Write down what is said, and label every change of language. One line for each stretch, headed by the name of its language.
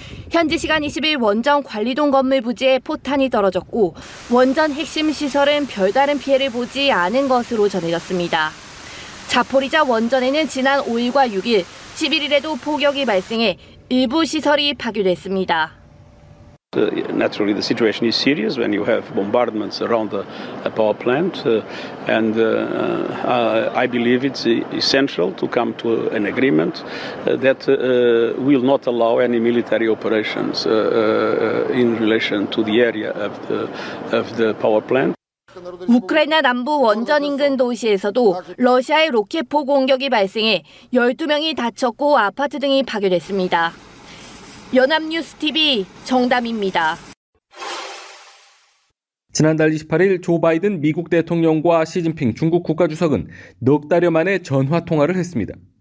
Korean: 현지 시간 20일 원전 관리동 건물 부지에 포탄이 떨어졌고 원전 핵심 시설은 별다른 피해를 보지 않은 것으로 전해졌습니다. 자포리자 원전에는 지난 5일과 6일, 11일에도 폭격이 발생해 일부 시설이 파괴됐습니다.
English: Naturally, the situation is serious when you have bombardments around the power plant. And I believe it's essential to come to an agreement that will not allow any military operations in relation to the area of the power plant.
Korean: 우크라이나 남부 원전 인근 도시에서도 러시아의 로켓포 공격이 발생해 12명이 다쳤고 아파트 등이 파괴됐습니다. 연합뉴스 TV 정담입니다. 지난달 28일 조 바이든 미국 대통령과 시진핑 중국 국가주석은 넉 달여 만에 전화 통화를 했습니다.